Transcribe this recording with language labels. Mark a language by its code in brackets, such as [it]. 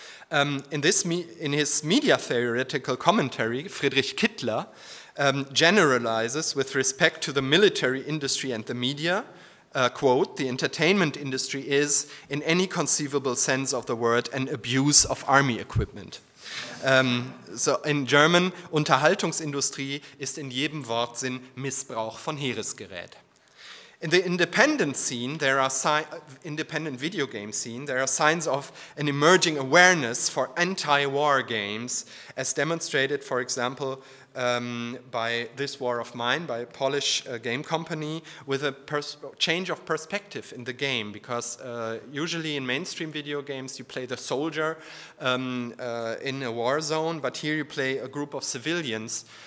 [en] In his media theoretical commentary, Friedrich Kittler generalizes with respect to the military industry and the media. Quote, the entertainment industry is, in any conceivable sense of the word, an abuse of army equipment. So in German, [de] Unterhaltungsindustrie ist in jedem Wortsinn Missbrauch von Heeresgerät. [en] In the independent scene, there are independent video game scene, there are signs of an emerging awareness for anti-war games, as demonstrated, for example, by This War of Mine, by a Polish game company, with a change of perspective in the game, because usually in mainstream video games you play the soldier in a war zone, but here you play a group of civilians.